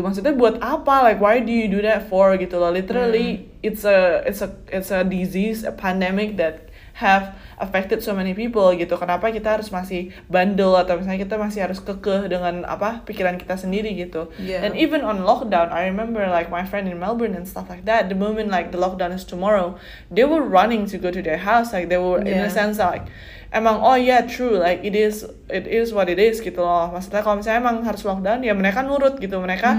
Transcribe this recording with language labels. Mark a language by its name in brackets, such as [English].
[Indonesian] Maksudnya buat apa, [English] like why do you do that for [Indonesian] gitu loh. [English] Literally it's a disease, a pandemic that have affected so many people [Indonesian] gitu. Kenapa kita harus masih bandel atau misalnya kita masih harus kekeh dengan apa pikiran kita sendiri gitu. [English] Yeah. And even on lockdown, I remember like my friend in Melbourne and stuff like that. The moment like the lockdown is tomorrow, they were running to go to their house. Like they were in a sense like, [Indonesian] emang [English] oh yeah true like it is what it is [Indonesian] gitu loh. Maksudnya kalau misalnya emang harus lockdown ya mereka nurut gitu mereka.